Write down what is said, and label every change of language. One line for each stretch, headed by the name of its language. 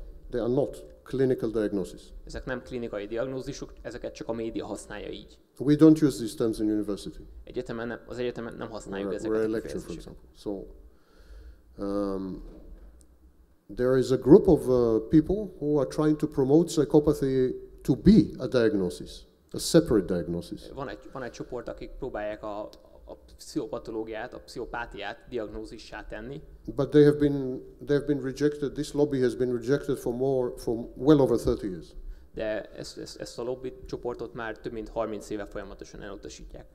English: They are not clinical diagnosis.
Hungarian: Ezek nem klinikai diagnózisok, ezeket csak a média használja így.
English: We don't use these terms in university.
Hungarian: Az egyetemen nem használjuk ezeket.
English: We're a lecture, for example. So, there is a group of people who are trying to promote psychopathy to be a diagnosis, a separate diagnosis.
Hungarian: Van egy csoport, akik próbálják a pszichopatológiát, a pszichopátiát diagnózissá tenni.
English: But they have been rejected. This lobby has been rejected for well over 30 years.
Hungarian: De ezt a lobby csoportot már több mint 30 éve folyamatosan elutasítják.